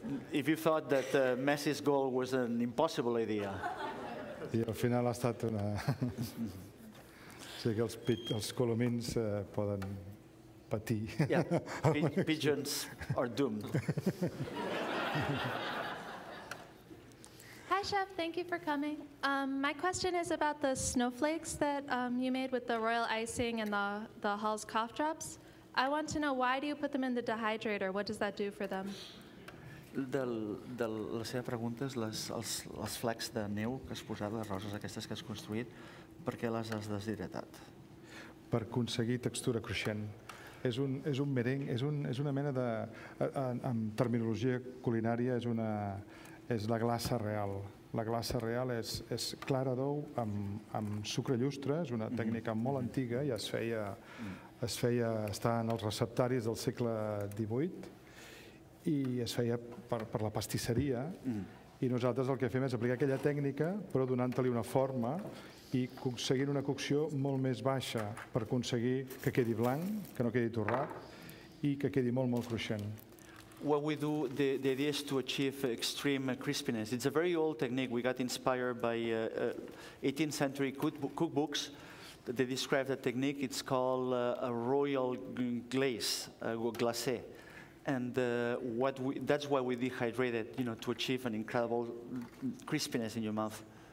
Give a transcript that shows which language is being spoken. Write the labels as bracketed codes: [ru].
[en] If you thought that Messi's goal was an impossible idea. [ca] I al final ha estat una... Sí, que els colomins poden patir. [en] Yeah, pigeons are doomed. Hi, Chef, thank you for coming. My question is about the snowflakes that you made with the royal icing and the Hall's cough drops. I want to know, why do you put them in the dehydrator? What does that do for them? [ca] De la seva pregunta és els flecs de neu que has posat, les roses aquestes que has construït, per què les has deshidratat? Per aconseguir textura cruixent. És un merengue, és una mena de... En terminologia culinària és la glaça real. La glaça real és clara d'ou amb sucre llustre, és una tècnica molt antiga, ja es feia estar en els receptaris del segle XVIII, i es feia per la pastisseria, i nosaltres el que fem és aplicar aquella tècnica, però donant-li una forma i aconseguint una cocció molt més baixa per aconseguir que quedi blanc, que no quedi torrat, i que quedi molt, molt cruixent. [en] What we do, the idea is to achieve extreme crispiness. It's a very old technique. We got inspired by 18th century cookbooks. They describe the technique. It's called a royal glaze, glacé. And that's why we dehydrate it, you know, to achieve an incredible crispiness in your mouth.